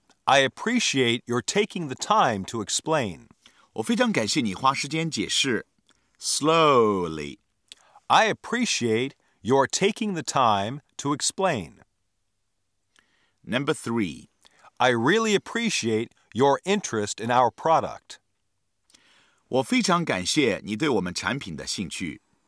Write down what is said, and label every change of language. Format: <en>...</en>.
<en>I appreciate your taking the time to explain.</en> <zh>我非常感谢你花时间解释。</zh> <en>Slowly, I appreciate your taking the time to explain. Number three, I really appreciate your interest in our product.</en> <zh>我非常感谢你对我们产品的兴趣。</zh>